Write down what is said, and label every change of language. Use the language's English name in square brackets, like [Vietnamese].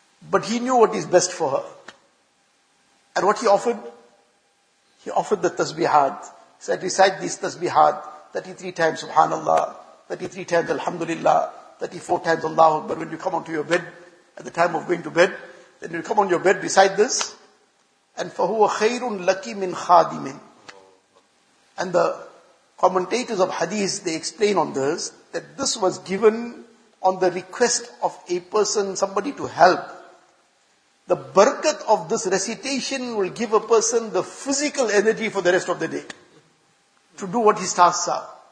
[English] But he knew what is best for her. And what he offered? He offered the tasbihat. He said, recite these tasbihat 33 times subhanallah, 33 times alhamdulillah, 34 times Allahu Akbar. When you come onto your bed, at the time of going to bed, then you come on your bed, recite this. And [Arabic] فَهُوَ خَيْرٌ لَكِي مِنْ خَادِمٍ. [English] And the commentators of hadith, they explain on this, that this was given on the request of a person, somebody to help, the barakat of this recitation will give a person the physical energy for the rest of the day to do what his tasks are.